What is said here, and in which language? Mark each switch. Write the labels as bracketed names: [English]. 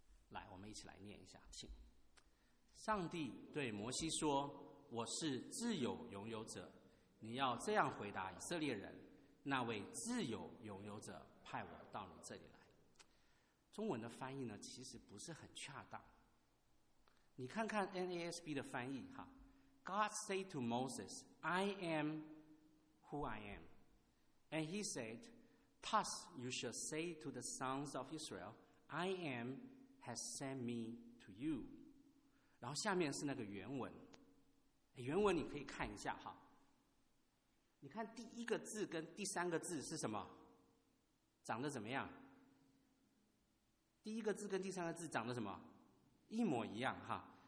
[Chinese] 来，我们一起来念一下，请。上帝对摩西说：“我是自有拥有者。” 你要这样回答以色列人：“那位自有拥有者派我到你这里来。” 中文的翻译呢，其实不是很恰当。你看看 NASB 的翻译哈， [English] God said to Moses, I am who I am. And he said, Thus you shall say to the sons of Israel, I am has sent me to you. [Chinese] 然后下面是那个原文，原文你可以看一下哈。你看第一个字跟第三个字是什么？长得怎么样？第一个字跟第三个字长得什么？一模一样哈。